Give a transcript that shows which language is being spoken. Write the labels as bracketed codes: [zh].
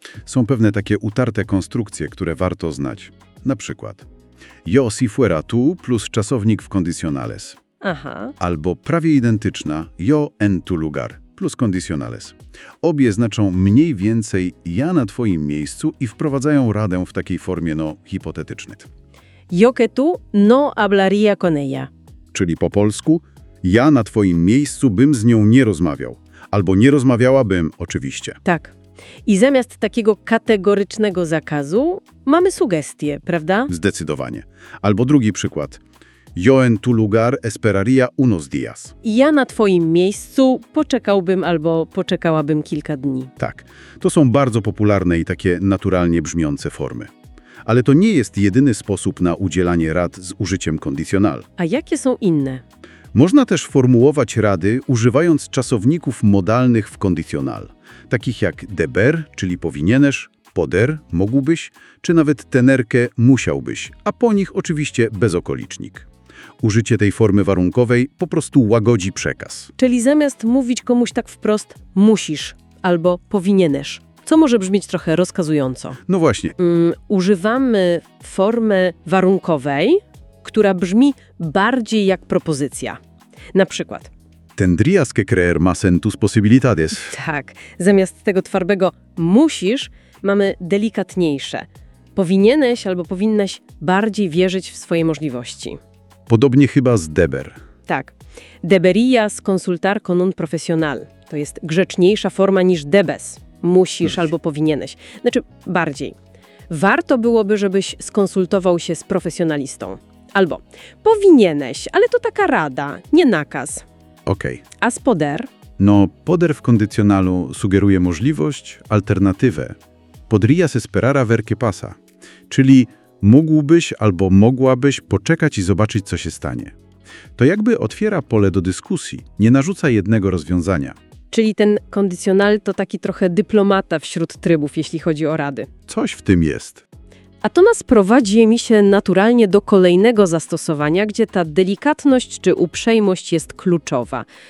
[pl] Są pewne takie utarte konstrukcje, które warto znać. Na przykład [es] yo si fuera tú [pl] plus czasownik w kondicionales. Aha. Albo prawie identyczna [es] yo en tu lugar [pl] plus kondicionales. Obie znaczą mniej więcej ja na twoim miejscu i wprowadzają radę w takiej formie, no, hipotetycznej. [es] Yo que tú no hablaría con ella. [pl] Czyli po polsku, ja na twoim miejscu bym z nią nie rozmawiał. Albo nie rozmawiałabym, oczywiście. Tak. I zamiast takiego kategorycznego zakazu mamy sugestie, prawda? Zdecydowanie. Albo drugi przykład. [es] Yo en tu lugar esperaría unos días. [pl] Ja na twoim miejscu poczekałbym albo poczekałabym kilka dni. Tak. To są bardzo popularne i takie naturalnie brzmiące formy. Ale to nie jest jedyny sposób na udzielanie rad z użyciem kondicjonal. A jakie są inne? Można też formułować rady używając czasowników modalnych w kondicjonal. Takich jak deber, czyli powinieneś, poder, mógłbyś, czy nawet tener que, musiałbyś, a po nich oczywiście bezokolicznik. Użycie tej formy warunkowej po prostu łagodzi przekaz. Czyli zamiast mówić komuś tak wprost musisz albo powinieneś, co może brzmieć trochę rozkazująco. No właśnie. Używamy formy warunkowej, która brzmi bardziej jak propozycja. Na przykład. [es] Tendrías que creer más en tus posibilidades. [pl] Tak. Zamiast tego twardego musisz, mamy delikatniejsze. Powinieneś albo powinnaś bardziej wierzyć w swoje możliwości. Podobnie chyba z deber. Tak. [es] Deberías consultar con un profesional. [pl] To jest grzeczniejsza forma niż debes. Musisz albo powinieneś. Znaczy, bardziej. Warto byłoby, żebyś skonsultował się z profesjonalistą. Albo powinieneś, ale to taka rada, nie nakaz. Okej. Okay. A z poder? No, poder w kondycjonalu sugeruje możliwość, alternatywę. [es] Podrías esperar a ver qué pasa. [pl] Czyli mógłbyś albo mogłabyś poczekać i zobaczyć, co się stanie. To jakby otwiera pole do dyskusji, nie narzuca jednego rozwiązania. Czyli ten kondycjonal to taki trochę dyplomata wśród trybów, jeśli chodzi o rady. Coś w tym jest. A to nas prowadzi, mi się, naturalnie do kolejnego zastosowania, gdzie ta delikatność czy uprzejmość jest kluczowa.